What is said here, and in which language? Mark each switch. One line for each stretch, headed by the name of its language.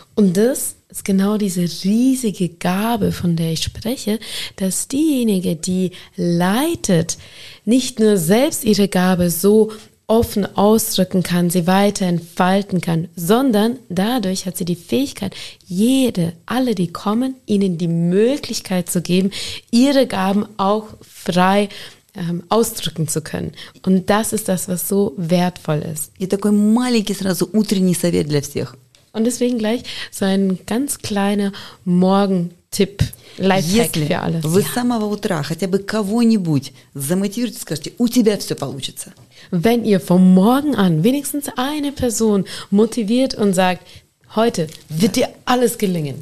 German: Und das ist genau diese riesige Gabe, von der ich spreche, dass diejenige, die leitet, nicht nur selbst ihre Gabe so offen ausdrücken kann, sie weiter entfalten kann, sondern dadurch hat sie die Fähigkeit, alle, die kommen, ihnen die Möglichkeit zu geben, ihre Gaben auch frei ausdrücken zu können. Und das ist das, was so wertvoll ist.
Russian: И такой маленький сразу утренний совет для всех.
German: Und deswegen gleich so ein ganz kleiner Morgen-Tipp.
Russian: Тип, лайфхак для всех. Если вы с самого утра хотя бы кого-нибудь замотивируете, скажете, у тебя все получится.
German: Wenn ihr von morgen an wenigstens eine Person motiviert und sagt, heute wird dir alles gelingen.